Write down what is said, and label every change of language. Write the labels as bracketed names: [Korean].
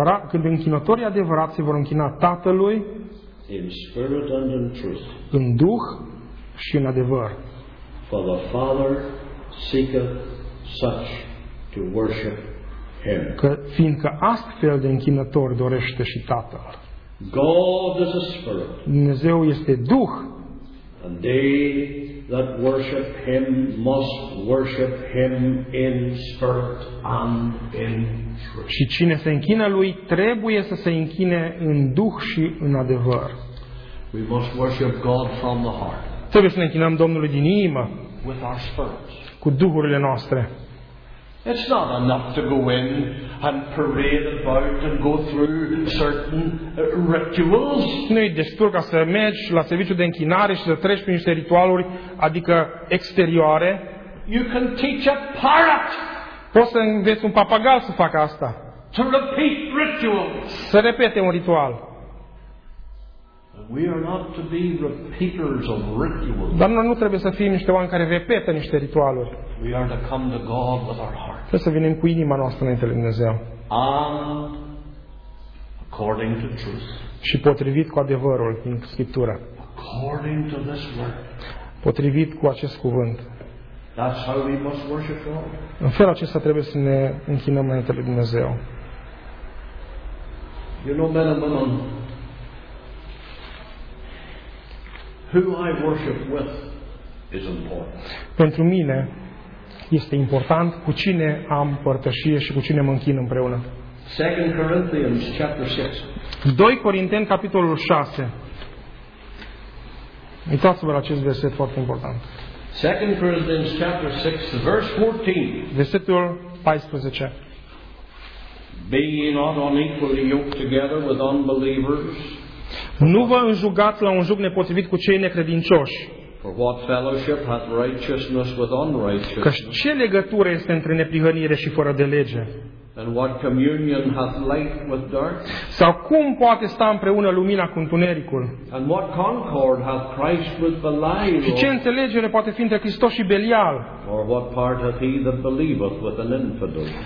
[Romanian] Când închinătorii adevărați se vor închina Tatălui. [English] In spirit and in truth. [Romanian] În duh și în adevăr. [English] For the Father seeketh such to worship Him. [Romanian] Că fiindcă astfel de închinători dorește și Tatăl. [English] God is a spirit. [Romanian] Dumnezeu este duh. [English] And they that worship Him must worship Him in spirit and in truth. [Romanian] Și cine se închină lui trebuie să se închine în duh și în adevăr. [English] We must worship God from the heart. [Romanian] Trebuie să ne închinăm Domnului din inimă. [English] With our spirits. [Romanian] Cu duhurile noastre. [English] It's not enough to go in and parade about and go through certain rituals. [Romanian] Nu e destul ca să mergi la serviciul de închinare și să treci prin niște ritualuri, adică exterioare. [English] You can teach a parrot. [Romanian] Poți să înveți un papagal să facă asta. [English] To repeat rituals. [Romanian] Să repete un ritual. [English] We are not to be repeaters of rituals. [Romanian] Dar noi nu trebuie să fim niște oameni care repetă niște ritualuri. [English] We are to come to God with our heart. [Romanian] Trebuie să venim cu inima noastră înainte lui Dumnezeu. [English] And according to truth. [Romanian] Și potrivit cu adevărul din Scriptură. [English] According to this word. [Romanian] Potrivit cu acest cuvânt. [English] That's how we must worship God. [Romanian] În felul acesta trebuie să ne închinăm înainte lui Dumnezeu. [English] You know, men and women, who I worship with is important. [Romanian] Pentru mine este important cu cine am părtășie și cu cine mă închin împreună. [English] 2 Corinthians chapter 6. [Romanian] 2 Corinteni capitolul 6. Uitați-vă la acest verset foarte important. [English] 2 Corinthians chapter 6, verse 14. [Romanian] Versetul 14. [English] Be ye not unequally yoked together with unbelievers. [Romanian] Nu vă înjugați la un jug nepotrivit cu cei necredincioși. [English] For what fellowship hath righteousness with unrighteousness? [Romanian] Că ce legătură este între neprihănire și fără de lege? [English] And what communion hath light with darkness? [Romanian] Sau cum poate sta împreună lumina cu întunericul? [English] And what concord hath Christ with Belial? [Romanian] Și ce înțelegere poate fi între Hristos și Belial? [English] Or what part hath he that believeth with an infidel?